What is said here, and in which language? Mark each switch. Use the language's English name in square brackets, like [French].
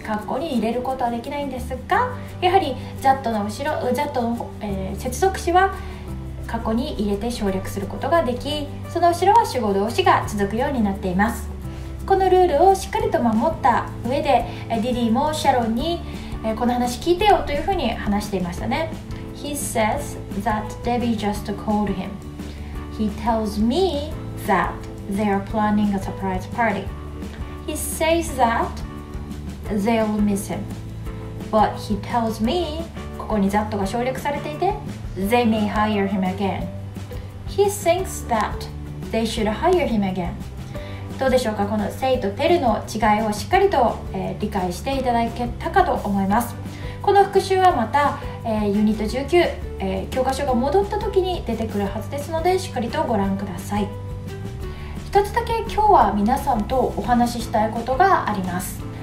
[Japanese] 括弧に入れることはできないんですが、やはり that の後ろ that の、接続詞は括弧に入れて省略することができ、その後ろは主語動詞が続くようになっています。このルールをしっかりと守った上で、ディディもシャロンにこの話聞いてよというふうに話していましたね。 [English] He says that Debbie just called him. He tells me that they are planning a surprise party. He says that they'll miss him. But he tells me, [Japanese] ここに that が省略されていて、 [English] they may hire him again. He thinks that they should hire him again. [Japanese] どうでしょうか、この say と tell の違いをしっかりと、理解していただけたかと思います。この復習はまた、ユニット19、教科書が戻った時に出てくるはずですので、しっかりとご覧ください。一つだけ今日は皆さんとお話ししたいことがあります。